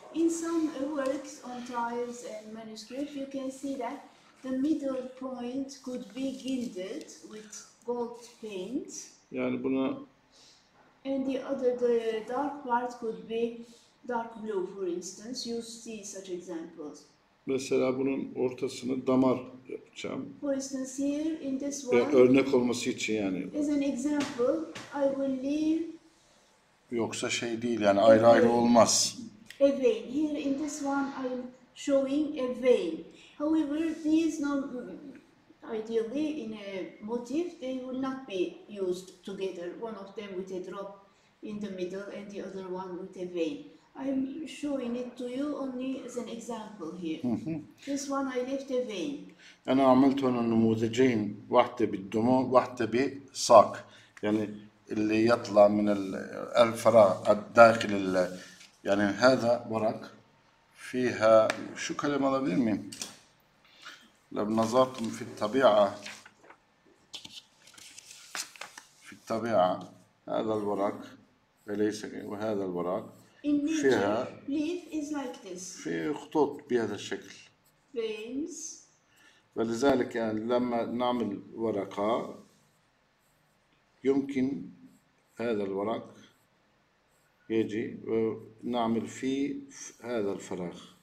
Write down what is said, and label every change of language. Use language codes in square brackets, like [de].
[en] In some works on tiles and manuscripts, you can see that the middle point could be gilded with gold paint. [tr] Yani buna... [en] And the other, the dark part could be dark blue, for instance. You see such examples. [tr] Mesela bunun ortasını damar yapacağım. [en] For instance here in this one. [tr] Örnek olması için yani. [en] As an example, I will leave. [tr] Yoksa şey değil yani, ayrı ayrı olmaz. [en] A vein. Here in this one I'm showing a vein. However, these no, ideally in a motif they will not be used together. One of them with a drop in the middle and the other one with a vein. I'm showing it to you only as an example here. This one I left a vein. [ar] أنا عملت هنا نموذجين واحدة بالدموع واحدة بساق يعني اللي يطلع من الفراغ الداخل يعني هذا ورق فيها شو كلمة لابدين مين لو نظرتم في الطبيعة في الطبيعة هذا الورق ليس وهذا الورق فيها [en] leaf is like this. [ar] في خطوط بهذا الشكل [en] veins [ar] ولذلك يعني لما نعمل ورقة يمكن هذا الورق يجي ونعمل فيه هذا الفراغ